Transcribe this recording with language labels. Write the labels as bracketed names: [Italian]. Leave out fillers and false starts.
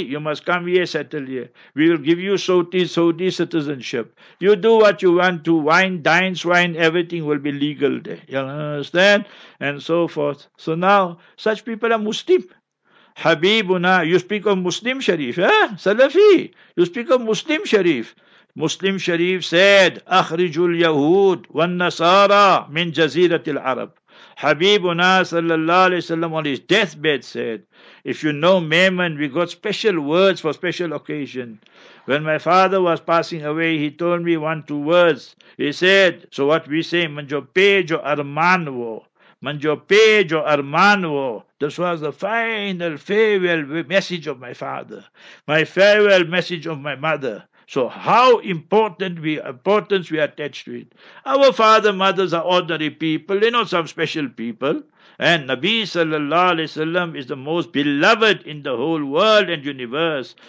[English] You must come here, settle here. We will give you Saudi citizenship. You do what you want to, wine, dine, swine, everything will be legal there. You understand? And so forth. So now, such people are Muslim. Habibuna, you speak of Muslim Sharif, eh? Salafi, you speak of Muslim Sharif. Muslim Sharif said, [Arabic] أَخْرِجُ الْيَهُودِ وَالنَّصَارَى مِنْ جَزِيرَةِ الْعَرَبِ. [English] Habibuna sallallahu alayhi wa sallam on his deathbed said, if you know Maimon, we got special words for special occasion. When my father was passing away, he told me one, two words. He said, so what we say, [Sindhi] مَنْ جَوْ پَيْجُ أَرْمَانُوَ مَنْ جَوْ پَيْجُ أَرْمَانُوَ. [English] This was the final farewell message of my father, my farewell message of my mother. So how importance we attach to it. Our father, mothers are ordinary people. They're not some special people. And Nabi sallallahu alayhi wa sallam is the most beloved in the whole world and universe.